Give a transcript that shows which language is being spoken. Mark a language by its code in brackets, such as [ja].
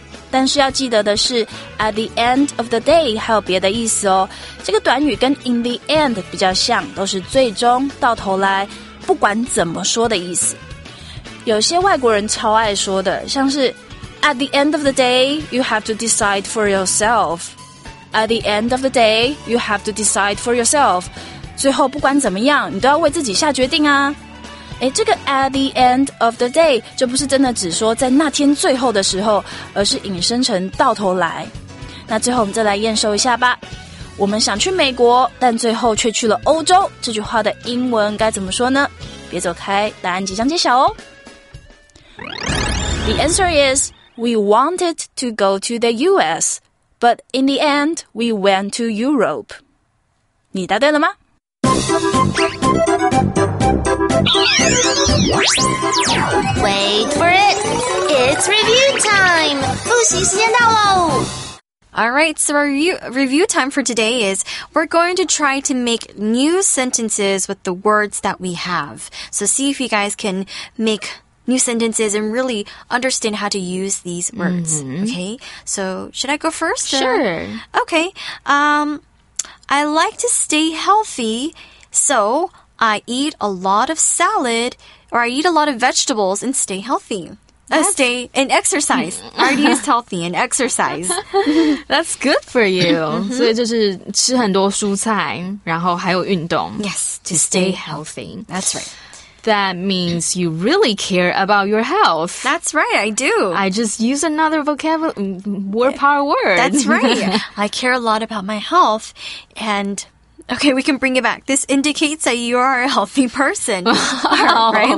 [zh] 但是要记得的是 at the end of the day 还有别的意思哦，这个短语跟 in the end 比较像，都是最终到头来不管怎么说的意思。有些外国人超爱说的，像是 [en] At the end of the day, you have to decide for yourself. At the end of the day, you have to decide for yourself. [zh] 最后不管怎么样，你都要为自己下决定啊。诶，这个 at the end of the day 就不是真的只说在那天最后的时候，而是引申成到头来。那最后我们再来验收一下吧。我们想去美国，但最后却去了欧洲，这句话的英文该怎么说呢？别走开，答案即将揭晓哦。 [en] The answer is, we wanted to go to the US, but in the end, we went to Europe. [zh] 你答对了吗？ [en] Wait for it! It's review time! [zh] 复习时间到喽！ [en] Alright, so our review time for today is we're going to try to make new sentences with the words that we have. So see if you guys can make... new sentences and really understand how to use these words. Okay, so should I go first? Sure. Okay. I like to stay healthy, so I eat a lot of salad or I eat a lot of vegetables and stay healthy. Stay and exercise. I already used healthy and exercise. That's good for you. [zh] 所以就是吃很多蔬菜，然后还有运动。 [en] Yes, to stay healthy. That's right. That means you really care about your health. That's right, I do. I just use another word power word. That's right. I care a lot about my health. And, okay, we can bring it back. This indicates that you are a healthy person. Right?